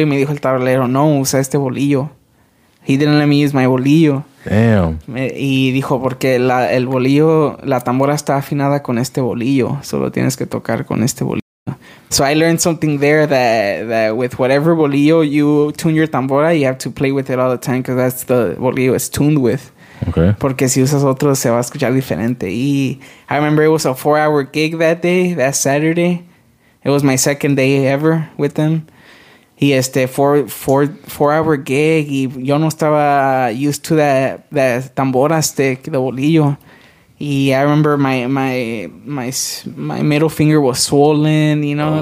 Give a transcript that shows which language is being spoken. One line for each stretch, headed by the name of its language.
Spanish: Y me dijo el tarolero, no, usa este bolillo.
English: He didn't let me use my bolillo. Damn.
Spanish: Y dijo, porque la tambora está afinada con este bolillo. Solo tienes que tocar con este bolillo.
English: So I learned something there that with whatever bolillo you tune your tambora, you have to play with it all the time because that's the bolillo it's tuned with. Okay.
Spanish: Porque si usas otro se va a escuchar diferente.
English: Y I remember it was a 4-hour gig that day, that Saturday. It was my second day ever with them. Y este, four-hour gig. Y yo no estaba used to that tambora stick, the bolillo. Y I remember my middle finger was swollen, you know?